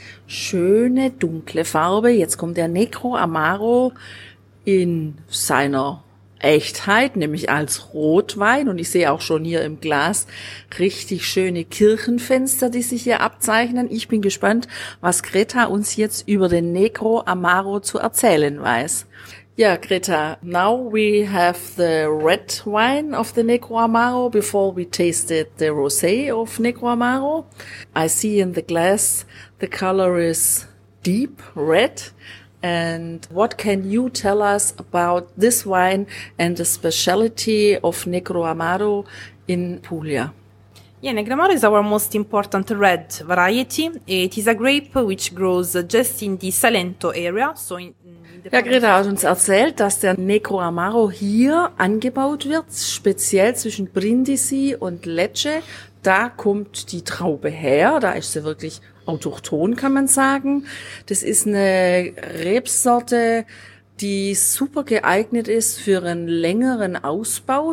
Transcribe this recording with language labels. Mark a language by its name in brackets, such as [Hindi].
[German] Schöne dunkle Farbe. Jetzt kommt der Negro Amaro in seiner Echtheit, nämlich als Rotwein. Und ich sehe auch schon hier im Glas richtig schöne Kirchenfenster, die sich hier abzeichnen. Ich bin gespannt, was Greta uns jetzt über den Negro Amaro zu erzählen weiß. [English] Ja, Greta, now we have the red wine of the Negro Amaro before we tasted the rosé of Negro Amaro. I see in the glass the color is deep red. And what can you tell us about this wine and the speciality of Negro Amaro in Puglia? Yeah, Negro Amaro is our most important red variety. It is a grape which grows just in the Salento area. [German] Ja, Greta hat uns erzählt, dass der Negro Amaro hier angebaut wird, speziell zwischen Brindisi und Lecce. Da kommt die Traube her, da ist sie wirklich autochthon, kann man sagen. Das ist eine Rebsorte, die super geeignet ist für einen längeren Ausbau.